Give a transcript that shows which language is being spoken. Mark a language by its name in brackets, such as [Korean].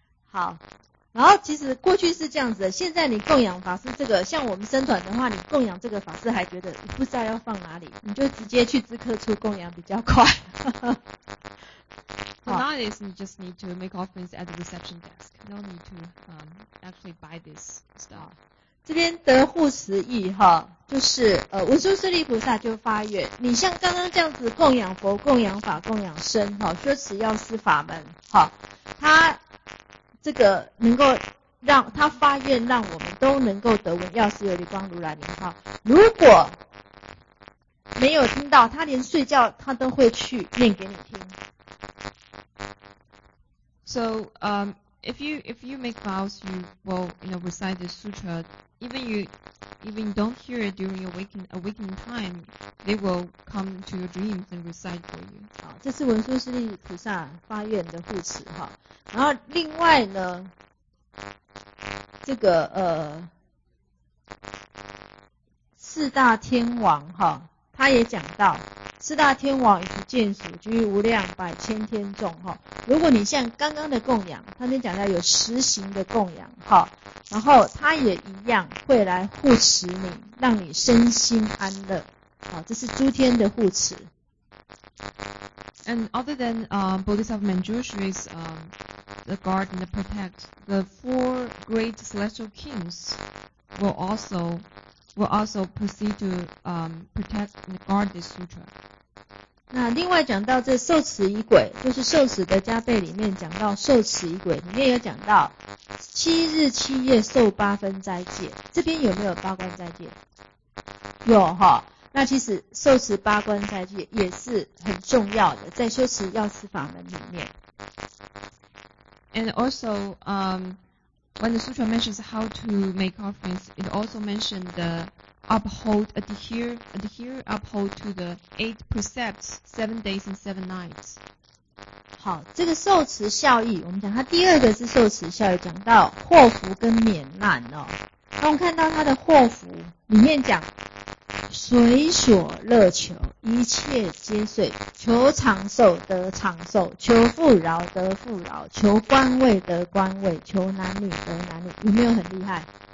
[Chinese] 好，然后其实过去是这样子的，现在你供养法师这个，像我们僧团的话，你供养这个法师还觉得不知道要放哪里，你就直接去知客处供养比较快。 [English] So nowadays, you just need to make offerings at the reception desk. No need to actually buy this stuff. [Chinese] 这边得护持意哈，就是文殊师利菩萨就发愿，你像刚刚这样子供养佛、供养法、供养身哈，修持药师法门哈，他这个能够让他发愿，让我们都能够得闻药师琉璃光如来名号。如果没有听到，他连睡觉他都会去念给你听。 [English] So, if you make vows, you will, you know, recite the sutra. Even you don't hear it during your awakening time, they will come to your dreams and recite for you. [Chinese] 好，这是文殊师利菩萨发愿的护持哈。然后另外呢，这个四大天王哈，他也讲到。四大天王以及眷属，居于无量百千天众。如果你像刚刚的供养，他们讲到有实行的供养，然后他也一样会来护持你，让你身心安乐。这是诸天的护持。 [English] And other than Bodhisattva Manjushri's the guard and the protect, the four great celestial kings will also proceed to protect and guard this sutra. [Chinese] 那另外讲到这受持仪轨，就是受持的加倍里面讲到受持仪轨，里面有讲到七日七夜受八分斋戒，这边有没有八关斋戒？有哈。那其实受持八关斋戒也是很重要的，在修持药师法门里面。 [English] And also, when the sutra mentions how to make offerings, it also mentioned the adhere, uphold to the eight precepts, 7 days and 7 nights. [Chinese] 好，这个受持效益，我们讲它第二个是受持效益，讲到祸福跟免难哦。那我们看到它的祸福里面讲，随所乐求，一切皆遂，求长寿得长寿，求富饶得富饶，求官位得官位，求男女得男女，有没有很厉害？